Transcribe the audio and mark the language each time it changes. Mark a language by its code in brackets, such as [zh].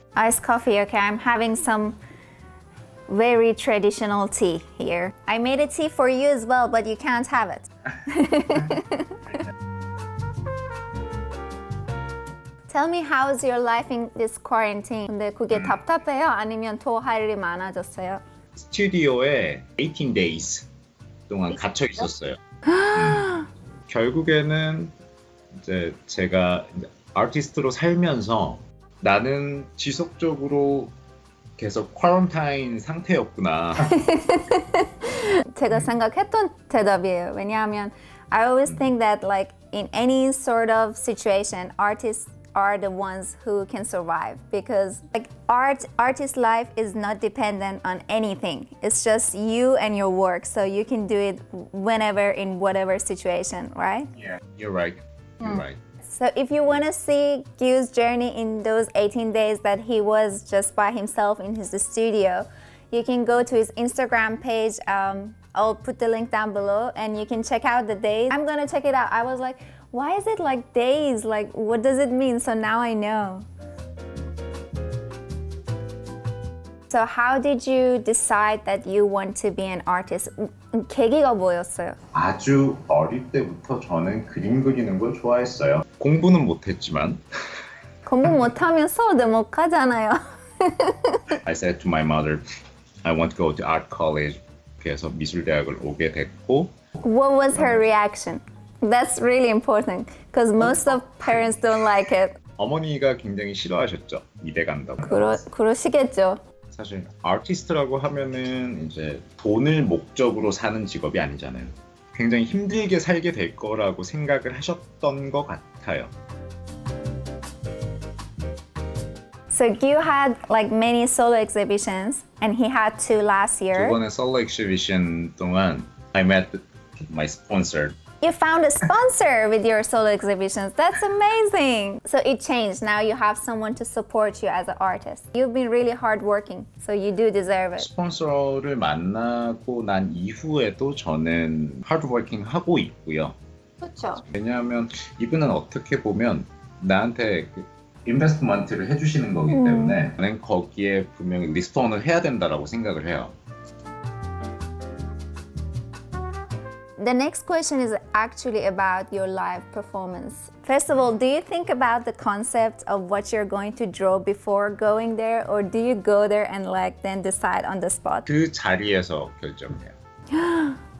[en] Iced coffee, okay. I'm having some very traditional tea here. I made a tea for you as well, but you can't have it. Tell me, how is your life in this quarantine? [ko] 근데 그게 답답해요? 아니면 더 할 일이 많아졌어요? 스튜디오에 [en] 18 days [ko] 동안 갇혀 있었어요. 결국에는 이제 제가 아티스트로 살면서 나는 지속적으로 계속 퀄런타인 상태였구나. 제가 생각했던 대답이에요. 왜냐하면 [en] I always think that like in any sort of situation, artists are the ones who can survive, because like artist life is not dependent on anything. It's just you and your work, so you can do it whenever in whatever situation, right? Yeah, you're right. You're right. So if you want to see Gyu's journey in those 18 days that he was just by himself in his studio, you can go to his Instagram page. I'll put the link down below and you can check out the days. I'm gonna check it out. I was like, why is it like days? Like, what does it mean? So now I know. So how did you decide that you want to be an artist? [ko] 계기가 뭐였어요? 아주 어릴 때부터 저는 그림 그리는 걸 좋아했어요. 공부는 못했지만. 공부 못하면 수업도 못 가잖아요. [en] I said to my mother, I want to go to art college. [ko] 그래서 미술대학을 오게 됐고. [en] What was her reaction? That's really important, because most of parents don't like it. [ko] 어머니가 굉장히 싫어하셨죠, 미대 간다고. 그러시겠죠. 사실 아티스트라고 하면은 이제 돈을 목적으로 사는 직업이 아니잖아요. 굉장히 힘들게 살게 될 거라고 생각을 하셨던 것 같아요. [en] So Gyu had like many solo exhibitions, and he had two last year. [ko] 두 번의 [en] solo exhibition [ko] 동안 [en] I met my sponsor. You found a sponsor with your solo exhibitions. That's amazing. So it changed. Now you have someone to support you as an artist. You've been really hardworking, so you do deserve it. [ko] 스폰서를 만나고 난 이후에도 저는 hardworking 하고 있고요. 그렇죠. 왜냐하면 이분은 어떻게 보면 나한테 인베스트먼트를 해주시는 거기 때문에 저는 거기에 분명히 리턴을 해야 된다라고 생각을 해요. [en] The next question is actually about your live performance. First of all, do you think about the concept of what you're going to draw before going there, or do you go there and like then decide on the spot? [ko] 그 자리에서 결정해요.